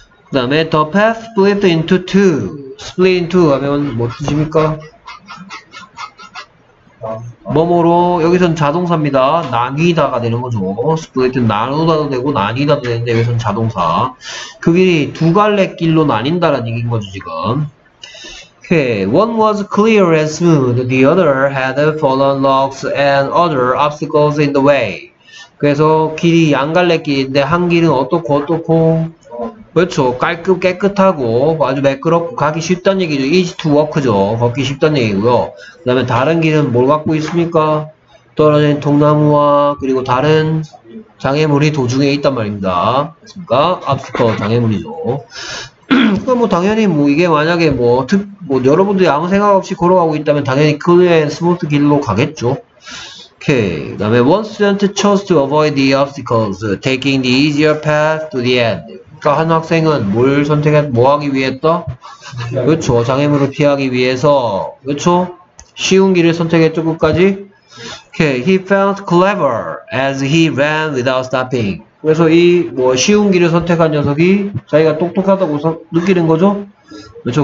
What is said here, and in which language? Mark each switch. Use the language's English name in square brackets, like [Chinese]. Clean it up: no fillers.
[Korean] 그다음에 [English] the path split into two. split into [Korean] 하면 뭐 뜻입니까? 뭐뭐로 여기선 자동사입니다. 나뉘다가 되는 거죠. 스플릿은 나누다도 되고 나뉘다도 되는데 여기선 자동사. 그 길이 두 갈래 길로 나뉜다라는 얘기인 거죠 지금. [English] Okay, one was clear and smooth. The other had fallen logs and other obstacles in the way. [Korean] 그래서 길이 양갈래길인데 한 길은 어떻고 어떻고 그렇죠. 깔끔 깨끗하고 아주 매끄럽고 가기 쉽단 얘기죠. 이지 투 워크죠. 걷기 쉽단 얘기고요. 그다음에 다른 길은 뭘 갖고 있습니까? 떨어진 통나무와 그리고 다른 장애물이 도중에 있단 말입니다. 그러니까 앞서 장애물이죠. 그러니까 뭐 당연히 뭐 이게 만약에 뭐 여러분들이 아무 생각 없이 걸어가고 있다면 당연히 클리어 앤 스무스 길로 가겠죠. 오케이. 그다음에 [English] once student chose to avoid the obstacles, taking the easier path to the end. [Korean] 그러니까 한 학생은 뭘 선택했, 뭐 하기 위했다? 그렇죠. 장애물을 피하기 위해서, 그렇죠. 쉬운 길을 선택했죠. 끝까지. [English] Okay, he felt clever as he ran without stopping. [Korean] 그래서 이뭐 쉬운 길을 선택한 녀석이 자기가 똑똑하다고 느끼는 거죠. 그렇죠.